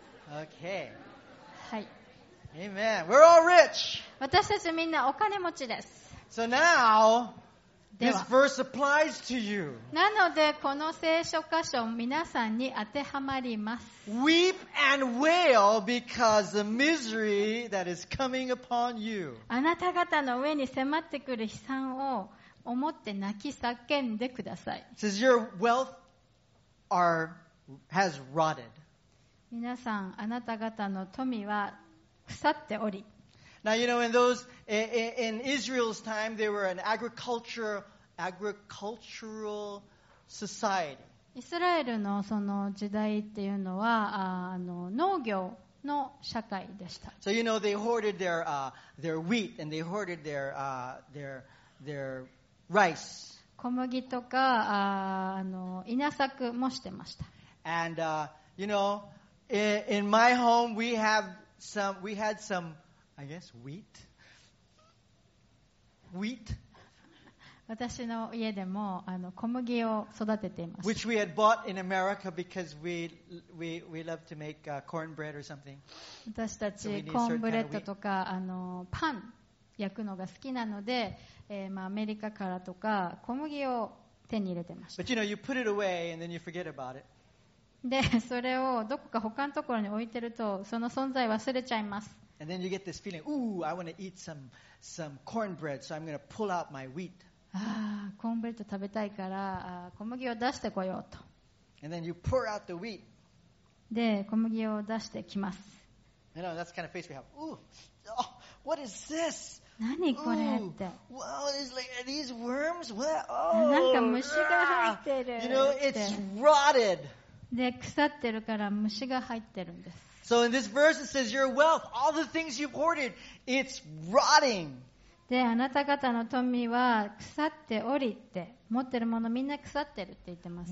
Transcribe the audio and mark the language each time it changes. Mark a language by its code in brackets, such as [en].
[en] Amen. Okay. [ja] はい。 [en] Amen. We're all rich. [ja] 私たちみんなお金持ちです。 [en] So now, this verse applies to you. [ja] なのでこの聖書箇所皆さんに当てはまります。 [en] Weep and wail because the misery that is coming upon you. [ja] あなた方の上に迫ってくる悲惨を思って泣き叫んでください。 [en] It says your wealth has rotted. [ja] 皆さんあなた方の富は腐っており。 [en] Now, you know, in Israel's time, they were an agricultural society. [ja] イスラエルのその時代っていうのは、農業の社会でした。 [en] So, you know, they hoarded their wheat and they hoarded their rice. [ja] 小麦とか、稲作もしてました。 [en] And, you know, in my home, we haveWe had some, I guess, wheat. [ja] 私の家でも小麦を育てています。 [en] Which we had bought in America because we love to make cornbread or something. [ja] 私たちコーンブレッドとかパン焼くのが好きなので、まあアメリカからとか小麦を手に入れてました。 [en] But you know, you put it away and then you forget about it. [ja] でそれをどこか他のところに置いてるとその存在忘れちゃいます。 [en] And then you get this feeling, ooh, I want to eat some cornbread, so I'm going to pull out my wheat. [ja] コーンブレッド食べたいから小麦を出してこようと。 [en] And then you pour out the wheat. [ja] で小麦を出してきます。 [en] You know, that's the kind of face we have. Ooh, what is this? [ja] 何これって。 [en] Wow, it's like, are these worms? What? Oh, [ja] なんか虫が入ってる。 [en] You know, it's rotted. [ja] で腐ってるから虫が入ってるんです。 [en] So in this verse it says your wealth, all the things you've hoarded, it's rotting. [ja] で、あなた方の富は腐っておりって、持ってるものみんな腐ってるって言ってます。